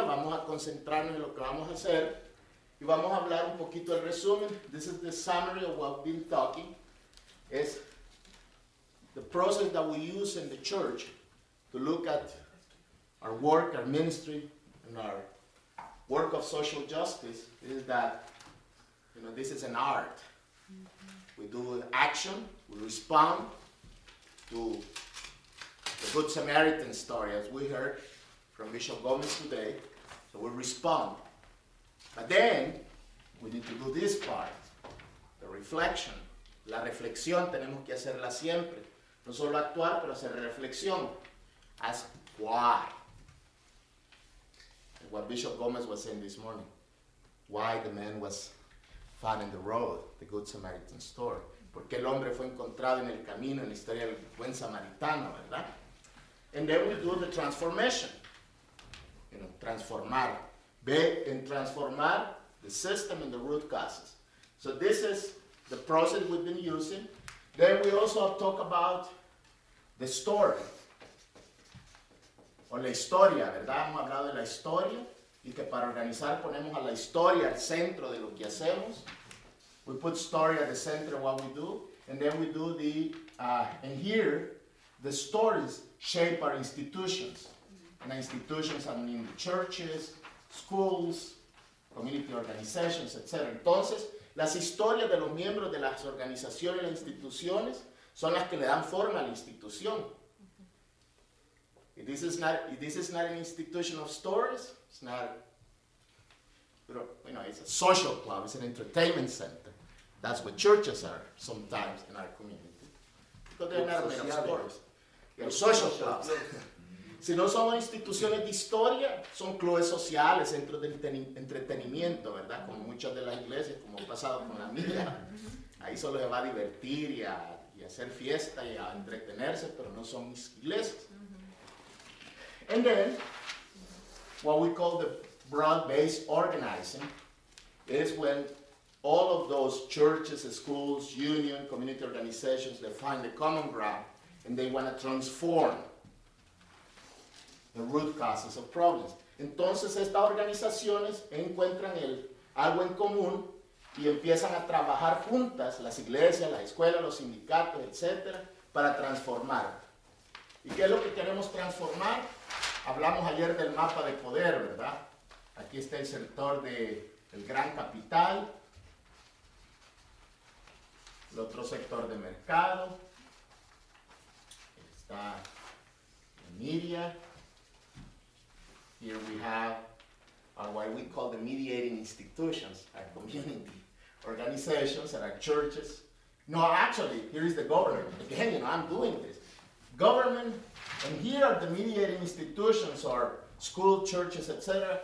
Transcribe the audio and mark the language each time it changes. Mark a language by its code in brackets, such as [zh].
[es] Vamos a concentrarnos en lo que vamos a hacer. Y vamos a hablar un poquito del resumen. [en] This is the summary of what we've been talking. Es the process that we use in the church to look at our work, our ministry, and our work of social justice is that, you know, this is an art. Mm-hmm. We do action. We respond to the Good Samaritan story, as we heard from Bishop Gomez today. So we respond. But then, we need to do this part, the reflection. [es] La reflexión tenemos que hacerla siempre. No solo actuar, pero hacer reflexión. [en] Ask why. What Bishop Gomez was saying this morning. Why the man was found in the road, the Good Samaritan story. [es] ¿Por qué el hombre fue encontrado en el camino, en la historia del buen samaritano, verdad? [en] And then we do the transformation. You know, transformar. [es] Ve en transformar [en] the system and the root causes. So this is the process we've been using. Then we also talk about the story. [es] O la historia, ¿verdad? Hemos hablado de la historia. Y que para organizar ponemos a la historia al centro de lo que hacemos. [en] We put story at the center of what we do. And then we do the, and here, the stories shape our institutions. And the institutions, I mean the churches, schools, community organizations, etc. Entonces, [es] Las historias de los miembros de las organizaciones y las instituciones son las que le dan forma a la institución. [en] This is not an institution of stories. It's not, it's a social club. It's an entertainment center. That's what churches are sometimes in our community. Because they're not made of stories. They're social clubs. [es] Si no somos instituciones de historia, son clubes sociales, centros de entretenimiento, ¿verdad? Como muchas de las iglesias, como ha pasado con la mía. Ahí solo se va a divertir y a hacer fiesta y a entretenerse, pero no son iglesias. [en] And then, what we call the broad-based organizing is when all of those churches, schools, unions, community organizations, they find the common ground and they want to transform the root causes of problems. [es] Entonces, estas organizaciones encuentran algo en común y empiezan a trabajar juntas, las iglesias, las escuelas, los sindicatos, etc., para transformar. ¿Y qué es lo que queremos transformar? Hablamos ayer del mapa de poder, ¿verdad? Aquí está el sector del gran capital, el otro sector de mercado, está la media. [en] Here we have what we call the mediating institutions, our community organizations and our churches. No, actually, here is the government. Again, I'm doing this. Government, and here are the mediating institutions, our school, churches, etc.